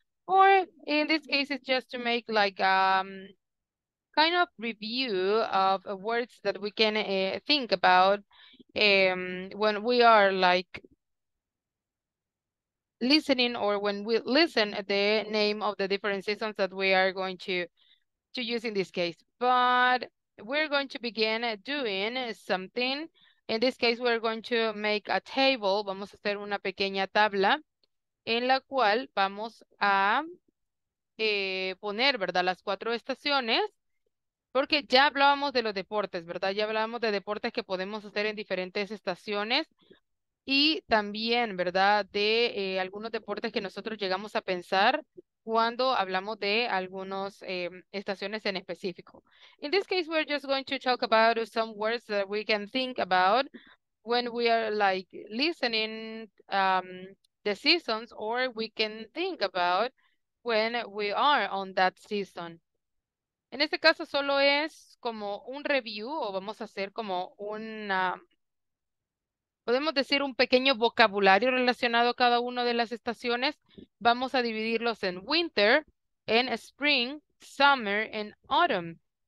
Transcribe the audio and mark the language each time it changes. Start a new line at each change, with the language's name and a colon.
English: Or in this case, it's just to make like kind of review of words that we can think about when we are like listening, or when we listen the name of the different seasons that we are going to use in this case. But we're going to begin doing something. In this case, we're going to make a table.
Spanish: Vamos a hacer una pequeña tabla en la cual vamos a poner, ¿verdad?, las cuatro estaciones, porque ya hablábamos de los deportes, ¿verdad? Ya hablábamos de deportes que podemos hacer en diferentes estaciones y también, ¿verdad?, de algunos deportes que nosotros llegamos a pensar cuando hablamos de algunas estaciones en específico.
English: In this case, we're just going to talk about some words that we can think about when we are like listening the seasons, or we can think about when we are on that season.
Spanish: En este caso, solo es como un review, o vamos a hacer como una, podemos decir un pequeño vocabulario relacionado a cada una de las estaciones. Vamos a dividirlos en winter, en spring, summer, en autumn.